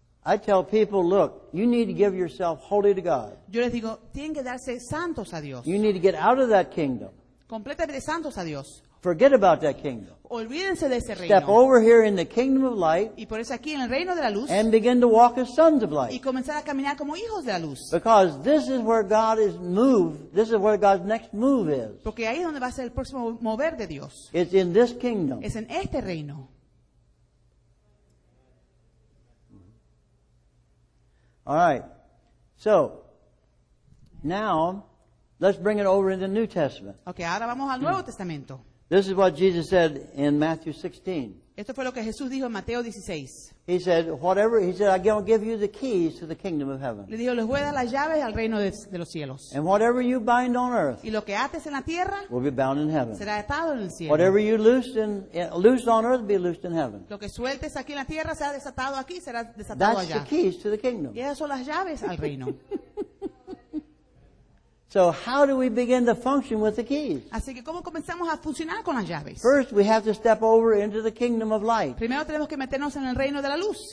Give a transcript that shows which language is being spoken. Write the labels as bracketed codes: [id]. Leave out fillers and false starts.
[en] I tell people, look, you need to give yourself wholly to God. [es] Yo les digo, tienen que darse santos a Dios. [en] You need to get out of that kingdom. [es] Completamente santos a Dios. [en] Forget about that kingdom. [es] Olvídense de ese reino. [en] Step over here in the kingdom of light. [es] Y por eso aquí en el reino de la luz. [en] And begin to walk as sons of light. [es] Y comenzar a caminar como hijos de la luz. [en] Because this is where God is moved. This is where God's next move is. [es] Porque ahí es donde va a ser el próximo mover de Dios. [en] It's in this kingdom. [es] Es en este reino. [en] All right. So, now, let's bring it over into the New Testament. [es] Okay, ahora vamos al Nuevo Testamento. [en] This is what Jesus said in Matthew 16. [es] Esto fue lo que Jesús dijo en Mateo 16. [en] He said, "Whatever he said, I'm going to give you the keys to the kingdom of heaven." [es] Le dijo, les voy a dar las llaves al reino de los cielos. [en] And whatever you bind on earth, [es] y lo que ates en la tierra, [en] will be bound in heaven. [es] Será atado en el cielo. [en] Whatever you loose on earth, will be loosed in heaven. [es] Lo que sueltes aquí en la tierra será desatado aquí, será desatado [en] That's [es] allá. [en] That's the keys to the kingdom. [es] Y esas son las llaves al reino. [en] So how do we begin to function with the keys? [es] Así que cómo comenzamos a funcionar con las llaves. [en] First, we have to step over into the kingdom of light. [es] Primero tenemos que meternos en el reino de la luz.